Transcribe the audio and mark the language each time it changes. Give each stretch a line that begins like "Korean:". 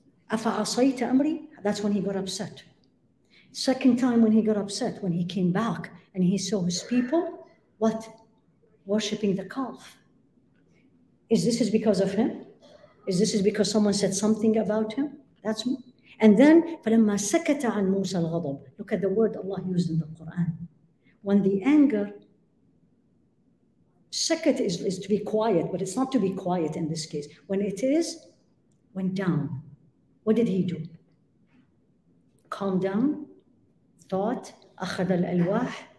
Arabic: أَفَعَصَيْتَ أَمْرِي?
English: That's when he got upset. Second time when he got upset, when he came back and he saw his people, what? Worshipping the calf. Is this is because of him? Is this is because someone said something about him? That's me. And then,
Arabic: فَلَمَّا سَكَتَ عَنْ مُوسَى الْغَضَبُ.
English: Look at the word Allah used in the Quran. When the anger, سَكَت is to be quiet, but it's not to be quiet in this case. When it is, went down. What did he do? Calm down, thought,
Arabic: أخذ الألواح.